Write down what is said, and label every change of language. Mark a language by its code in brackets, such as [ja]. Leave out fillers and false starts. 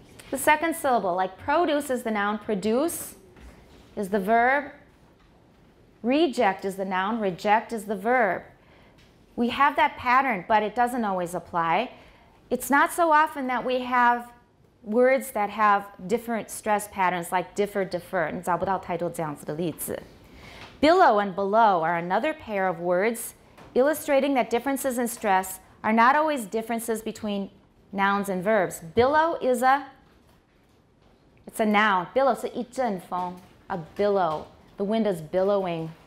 [en] The second syllable, like produce is the noun, produce is the verb. Reject is the noun, reject is the verb. We have that pattern, but it doesn't always apply. It's not so often that we have words that have different stress patterns, like differ, defer. [zh] 你找不到太多这样子的例子。 [en] Billow and below are another pair of words illustrating that differences in stress are not always differences between nouns and verbs. Billow is a noun. Billow, [zh] 是一阵风, [en] a billow. The wind is billowing.